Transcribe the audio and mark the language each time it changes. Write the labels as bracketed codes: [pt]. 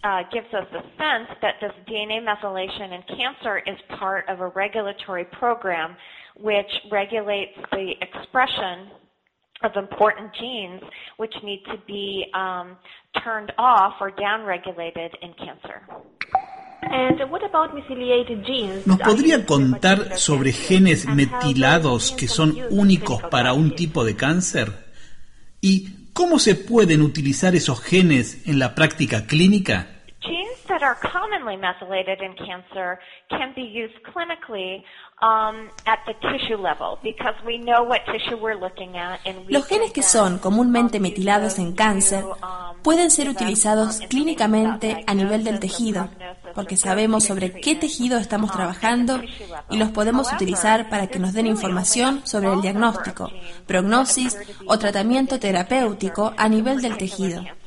[en] Gives us a sense that this DNA methylation in cancer is part of a regulatory program which regulates the expression of important genes which need to be turned off or downregulated in cancer. And what about methylated genes? [es] ¿Nos podría contar sobre genes metilados que son únicos para un tipo de cáncer? ¿Y cómo se pueden utilizar esos genes en la práctica clínica? [en] Genes that are commonly methylated in cancer can be used clinically at the tissue level because we know what tissue we're looking at. [es] Los genes que son comúnmente metilados en cáncer pueden ser utilizados clínicamente a nivel del tejido, porque sabemos sobre qué tejido estamos trabajando y los podemos utilizar para que nos den información sobre el diagnóstico, prognosis o tratamiento terapéutico a nivel del tejido.